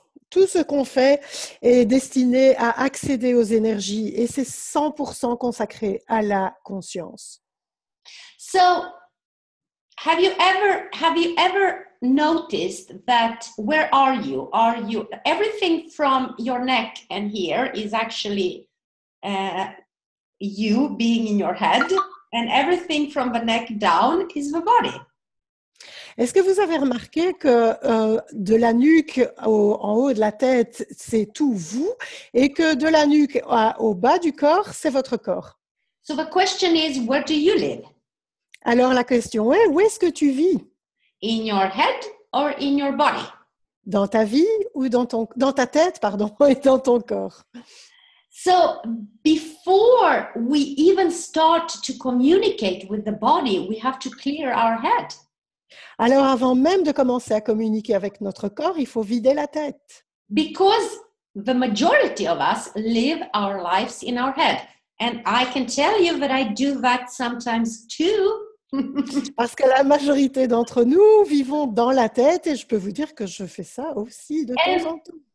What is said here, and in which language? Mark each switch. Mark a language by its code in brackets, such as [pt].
[fr] Tout ce qu'on fait est destiné à accéder aux énergies et c'est 100% consacré à la conscience. [en] So, have you ever noticed that, where are you? Are you, everything from your neck and here is actually you being in your head, and everything from the neck down is the body. [fr] Est-ce que vous avez remarqué que de la nuque en haut de la tête, c'est tout vous, et que de la nuque au bas du corps, c'est votre corps? [en] So the question is, where do you live? [fr] Alors la question est, où est-ce que tu vis? [en] In your head or in your body? [fr] Dans ta vie ou dans ta tête, pardon, et dans ton corps. [en] So, before we even start to communicate with the body, we have to clear our head. [fr] Alors, avant même de commencer à communiquer avec notre corps, il faut vider la tête. [en] Because the majority of us live our lives in our head. And I can tell you that I do that sometimes too. [fr] Parce que la majorité d'entre nous vivons dans la tête et je peux vous dire que je fais ça aussi de temps en temps.